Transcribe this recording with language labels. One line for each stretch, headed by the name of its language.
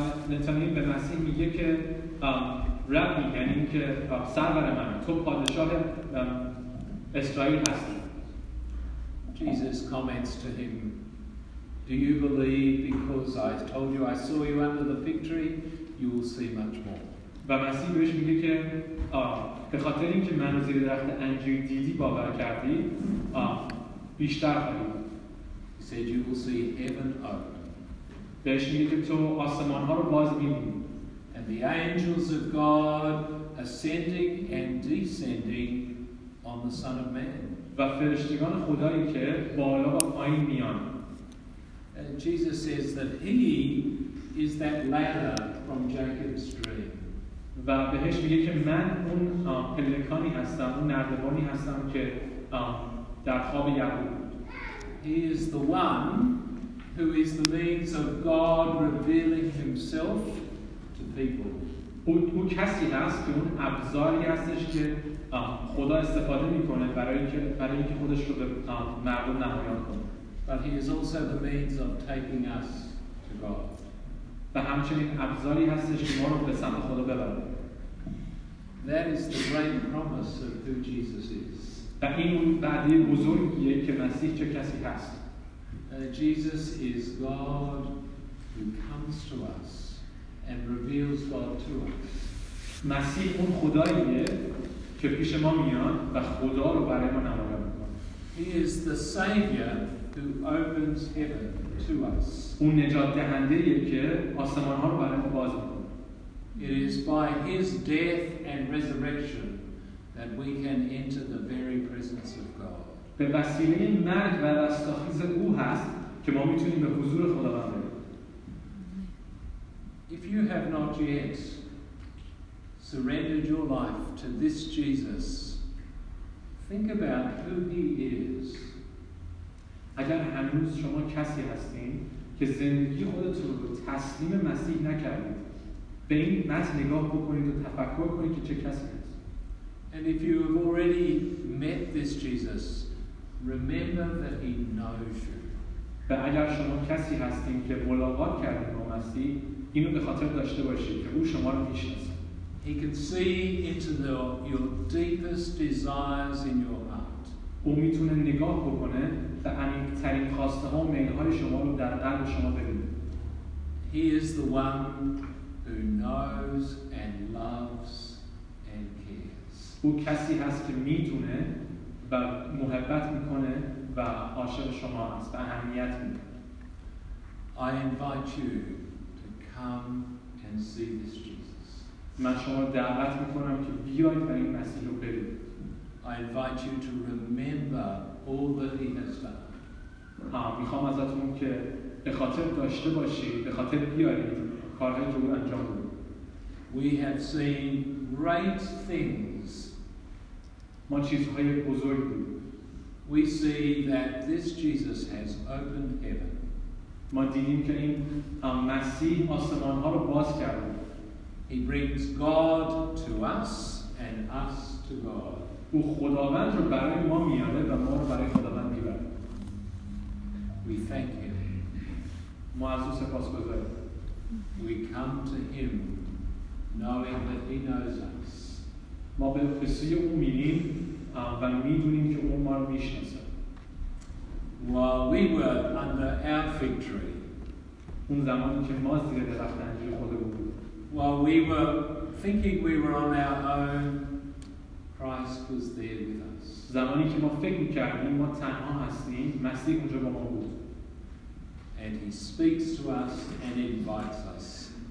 Persian: نتانیل به مسیح میگه که رابی یعنی که سرور من تو پادشاه اسرائیل هستی.
English: Jesus comments to him, Do you believe because I told you I saw you under the fig tree, you will see much more.
Persian: و مسیح بهش میگه که به خاطر اینکه من زیر درخت انجیر دیدی باور کردی بیشتر خواهی.
English: He said you will see heaven open.
Persian: بهش میگه که تو آسمان ها رو باز میبینی.
English: And the angels of God ascending and descending on the Son of Man.
Persian: و فرشتگان خدایی که بالا و پایین میان.
English: And Jesus says that he is that ladder from Jacob's dream.
Persian: و بهش میگه که من اون پلکانی هستم، اون نردبانی هستم که در خواب یعقوب.
English: He is the one who is the means of God revealing himself to people.
Persian: او کسی هست که اون ابزاری هستش که خدا استفاده میکنه برای اینکه خودش رو به مردم نمایان کنه.
English: But he is also the means of taking us to God.
Persian: و همچنین ابزاری هستش که ما رو به سمت خدا ببره.
English: That is the great promise of who Jesus is.
Persian: و این وعده بزرگیه که مسیح چه کسی هست.
English: Jesus is God who comes to us and reveals God to us.
Persian: مسیح اون خداییه که پیش ما میاد و خدا رو برای ما نمایان میکنه.
English: He is the Savior who opens heaven to us.
Persian: اون نجات دهنده‌ایه که آسمان ها رو برای ما باز میکنه.
English: It is by his death and resurrection that we can enter the very presence of God.
Persian: به وسیله مرگ و رستاخیز او هست که ما میتونیم به حضور خداوند بریم.
English: If you have not yet surrendered your life to this Jesus, think about who he is.
Persian: اگر هنوز شما کسی هستین که زندگی خودتون رو تسلیم مسیح نکردید، به این متن نگاه بکنید و تفکر کنید که چه کسی هست.
English: And if you have already met this Jesus, remember that he knows you.
Persian: و اگر شما کسی هستین که ملاقات کردید با مسیح، اینو به خاطر داشته باشید که او شما رو میشناسه.
English: He can see into your deepest desires in your heart.
Persian: او میتونه نگاه بکنه و عمیق‌ترین خواسته ها و میل‌های شما رو در قلب شما ببینه.
English: He is the one who knows and loves and cares.
Persian: او کسی هست که میتونه و محبت میکنه و عاشق شما هست و اهمیت میده.
English: I invite you to come and see this Jesus.
Persian: من شما رو دعوت میکنم که بیایید و این مسیح رو ببینید.
English: I invite you to remember all that he has done.
Persian: میخوام ازتون که به خاطر داشته باشید، به خاطر بیارید کارهایی که او انجام داده.
English: We have seen great things.
Persian: ما چیزهای بزرگی دیدیم.
English: We see that this Jesus has opened heaven.
Persian: ما دیدیم که این مسیح آسمان ها رو باز کرده.
English: He brings God to us and us to God.
Persian: او خداوند رو برای ما میاره و ما رو برای خداوند میبره.
English: We thank him.
Persian: ما از او سپاسگزاریم.
English: We come to him knowing that he knows us.
Persian: ما به سوی او میریم و میدونیم که او ما رو میشناسه.
English: While we were under our fig tree.
Persian: اون زمانی که ما زیر درخت انجیر خودمون بودیم.
English: While we were thinking we were on our own, Christ was there with us.
Persian: زمانی که ما فکر می‌کردیم ما تنها هستیم، مسیح اونجا با ما بود.
English: And he speaks to us and invites us.